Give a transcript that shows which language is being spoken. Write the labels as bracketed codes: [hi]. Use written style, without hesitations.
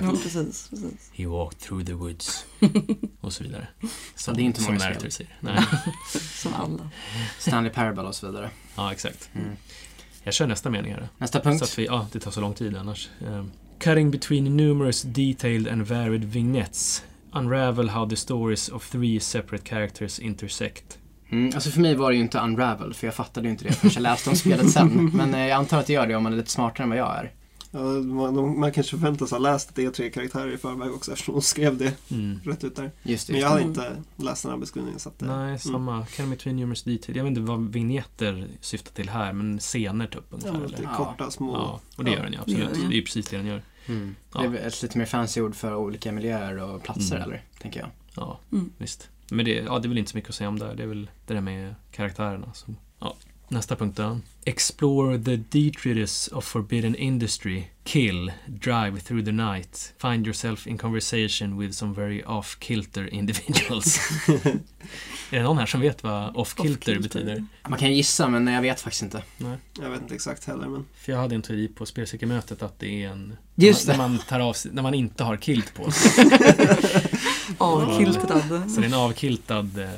[sv] Mm, precis, precis. [en] He walked through the woods. [sv] Och så vidare. Så det är inte många narrator spel. Nej. Som alla. Stanley Parable och så vidare. Ja, exakt. Mm. Jag kör nästa mening här. Nästa punkt. Så att vi, ja, det tar så lång tid annars. [en] Cutting between numerous detailed and varied vignettes. Unravel how the stories of three separate characters intersect. [sv] Mm, alltså för mig var det ju inte Unravel, för jag fattade ju inte det förrän jag läste om spelet sen. Men jag antar att det gör det om man är lite smartare än vad jag är. Ja, man kanske förväntas ha läst det tre karaktärer i förväg också, eftersom hon skrev det rätt ut där. Just det. Men jag har inte läst den här beskrivningen. Så att, nej, samma. [en] Cutting between numerous detail. [sv] Jag vet inte vad vignetter syftar till här, men scener typ ungefär. Ja, eller? Korta, små. Ja, och det gör den ju absolut. Det är ju precis det den gör. Mm. Ja. Det är ett lite mer fancy ord för olika miljöer och platser, eller? Tänker jag. Ja, visst. Men det, ja, det är väl inte så mycket att säga om där. Det är väl det där med karaktärerna som, ja. Nästa punkt då. [en] Explore the detritus of forbidden industry. Kill, drive through the night. Find yourself in conversation with some very off-kilter individuals. [sv] Är det någon här som vet vad off-kilter betyder? Man kan gissa, men jag vet faktiskt inte. Nej. Jag vet inte exakt heller, men... För jag hade en teori på spelsäkermötet att det är en... Just när man tar av sig, när man inte har kilt på sig. Avkiltad. Så det är en avkiltad...